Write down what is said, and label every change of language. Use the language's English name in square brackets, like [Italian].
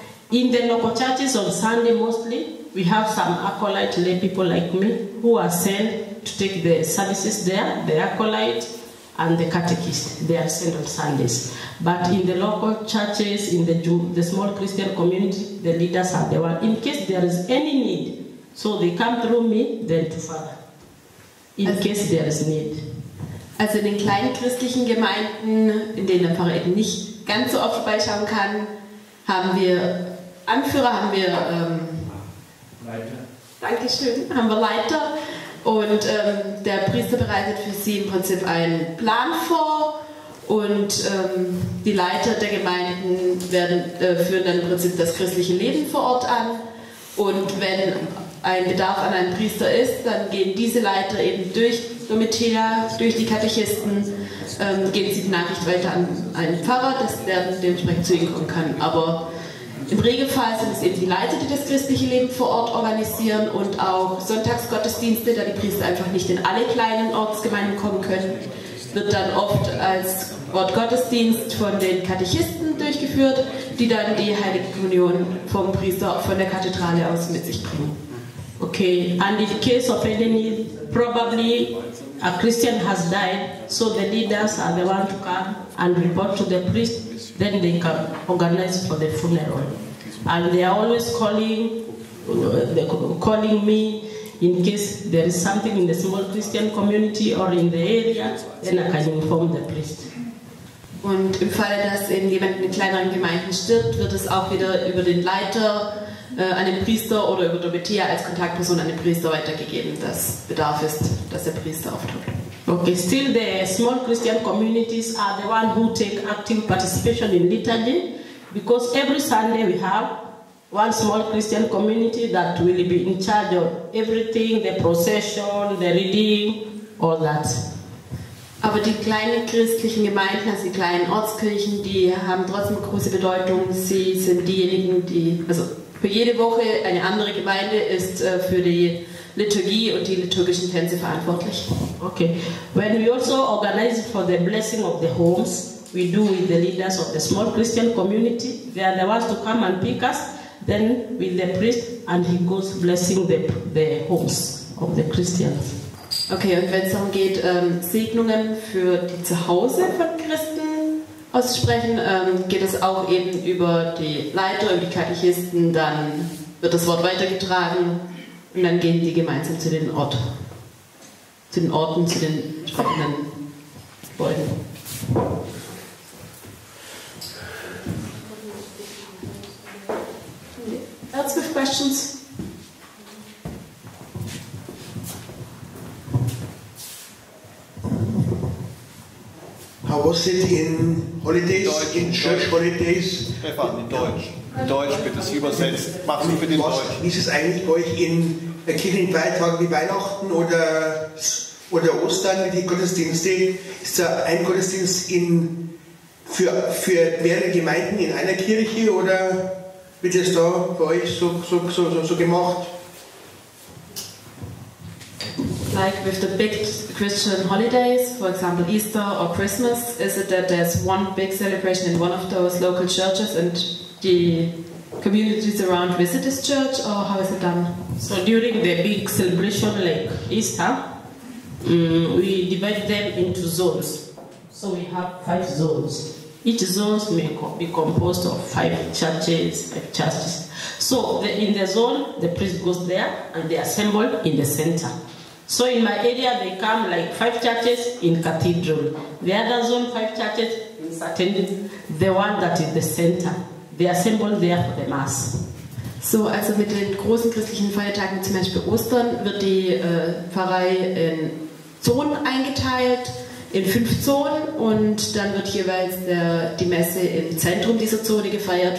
[English] In the local churches on Sunday mostly, we have some acolyte lay people like me who are sent to take the services there, the acolyte and the catechist. They are sent on Sundays. But in the local churches, in the small Christian community, the leaders are the one. In case there is any need, so they come through me, then to Father. In case there is need. [German] Also in den kleinen christlichen Gemeinden, in denen der Pfarrer eben nicht ganz so oft vorbeischauen kann, haben wir Anführer, haben wir Leiter. Dankeschön, haben wir Leiter. Und der Priester bereitet für sie im Prinzip einen Plan vor Und die Leiter der Gemeinden führen dann im Prinzip das christliche Leben vor Ort an. Und wenn ein Bedarf an einem Priester ist, dann gehen diese Leiter eben durch Domitila, durch die Katechisten, geben sie die Nachricht weiter an einen Pfarrer, dass der dementsprechend zu ihnen kommen kann. Aber im Regelfall sind es eben die Leiter, die das christliche Leben vor Ort organisieren und auch Sonntagsgottesdienste, da die Priester einfach nicht in alle kleinen Ortsgemeinden kommen können, wird dann oft als Wortgottesdienst von den Katechisten durchgeführt, die dann die Heilige Kommunion vom Priester von der Kathedrale aus mit sich bringen. [English] Okay, and in case of any need, probably a Christian has died, so the leaders are the ones to come and report to the priest, then they can organize for the funeral. And they are always calling me in case there is something in the small Christian community or in the area, then I can inform the priest. [German] Und im Fall, dass eben jemand in kleineren Gemeinden stirbt, wird es auch wieder über den Leiter an den Priester oder über Domitia als Kontaktperson an den Priester weitergegeben, dass Bedarf ist, dass der Priester auftaucht. [English] Okay, still the small Christian communities are the ones who take active participation in liturgy, because every Sunday we have one small Christian community that will be in charge of everything, the procession, the reading, all that. [German] Aber die kleinen christlichen Gemeinden, also die kleinen Ortskirchen, die haben trotzdem große Bedeutung. Sie sind diejenigen, die, also für jede Woche eine andere Gemeinde ist für die Liturgie und die liturgischen Tänze verantwortlich. Okay. [English] When we also organize for the blessing of the homes, we do with the leaders of the small Christian community. They are the ones to come and pick us, then with the priest, and he goes blessing the homes of the Christians. [German] Okay, und wenn es darum geht, Segnungen für die Zuhause von Christen auszusprechen, geht es auch eben über die Leiter und die Katechisten, dann wird das Wort weitergetragen und dann gehen die gemeinsam zu den Ort, zu den Orten, zu den entsprechenden Gebäuden. [English] Lots of questions. How was it in holidays, Deutsch, in church Deutsch. Holidays? [German] Stefan, in Deutsch. In Deutsch bitte, Sie übersetzt. Machen Sie bitte in Deutsch. Wie ist es eigentlich bei euch in Kirchenfeiertag wie Weihnachten oder Ostern, die Gottesdienste? Ist da ein Gottesdienst für mehrere Gemeinden in einer Kirche oder wird das da bei euch so gemacht? [English] Like with the big Christian holidays, for example Easter or Christmas, is it that there's one big celebration in one of those local churches and the communities around visit this church, or how is it done? So during the big celebration like Easter, we divide them into zones. So we have five zones. Each zone may be composed of five churches. So in the zone, the priest goes there and they assemble in the center. So in my area, they come like five churches in cathedral. The other zone, five churches in certain, the one that is the center. They assemble there for the mass. [German] So, also mit den großen christlichen Feiertagen, zum Beispiel Ostern, wird die Pfarrei in Zonen eingeteilt, in fünf Zonen, und dann wird jeweils die Messe im Zentrum dieser Zone gefeiert.